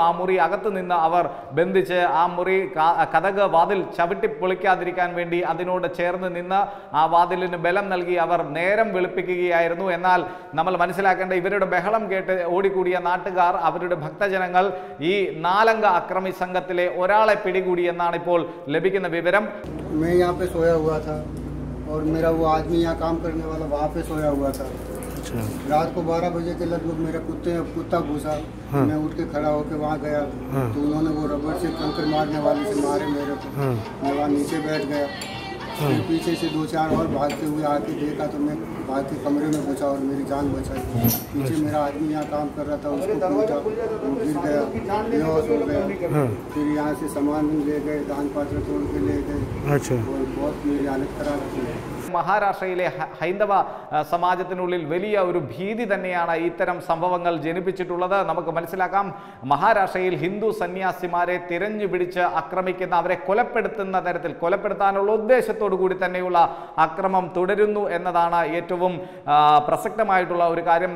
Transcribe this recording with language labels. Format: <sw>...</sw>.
<ml>ആ മുറി അകത്തു നിന്ന് അവർ ബന്ധിച്ച് ആ മുറി കതക് വാതിൽ ചവിട്ടി പൊളിക്കാതിരിക്കാൻ വേണ്ടി അതിനോട് ചേർന്ന് നിന്ന് ആ വാതിലിന് ബലം നൽകി അവർ നേരം വെളുപ്പിക്കുകയായിരുന്നു. എന്നാൽ നമ്മൾ മനസ്സിലാക്കേണ്ട, ഇവരുടെ ബഹളം കേട്ട് ഓടിക്കൂടിയ നാട്ടുകാർ, അവരുടെ ഭക്തജനങ്ങൾ ഈ നാലംഗ അക്രമി സംഘത്തിലെ ഒരാളെ പിടികൂടി എന്നാണ് ഇപ്പോൾ ലഭിക്കുന്ന വിവരം.</ml> <hi>और मेरा वो आदमी यहाँ काम करने वाला वहाँ पे सोया हुआ था. अच्छा. रात को 12 बजे के लगभग मेरा कुत्ता घुसा. हाँ. मैं उठ के खड़ा होकर वहाँ गया. हाँ. तो उन्होंने वो रबर से कंकर मारने वाले से मारे मेरे को. हाँ. मैं वहाँ नीचे बैठ गया. हाँ. फिर पीछे से दो चार और भागते हुए आके देखा तो मैं भाग के कमरे में घुसा और मेरी जान बचाई. पीछे मेरा आदमी यहाँ काम कर रहा था, उसको टूटा, वो गिर गया, बेहोश हो गया. फिर यहाँ से सामान ले गए, दान पात्र तोड़ के ले गए. अच्छा. और बहुत मेरी हालत खराब थी.</hi> <ml>മഹാരാഷ്ട്രയിലെ ഹൈന്ദവ സമാജത്തിനുള്ളിൽ വലിയ ഒരു ഭീതി തന്നെയാണ് ഇത്തരം സംഭവങ്ങൾ ജനിപ്പിച്ചിട്ടുള്ളത്. നമുക്ക് മനസ്സിലാക്കാം, മഹാരാഷ്ട്രയിൽ ഹിന്ദു സന്യാസിമാരെ തിരഞ്ഞു പിടിച്ച് ആക്രമിക്കുന്ന, അവരെ കൊലപ്പെടുത്തുന്ന തരത്തിൽ, കൊലപ്പെടുത്താനുള്ള ഉദ്ദേശത്തോടു കൂടി തന്നെയുള്ള അക്രമം തുടരുന്നു എന്നതാണ് ഏറ്റവും പ്രസക്തമായിട്ടുള്ള ഒരു കാര്യം.</ml>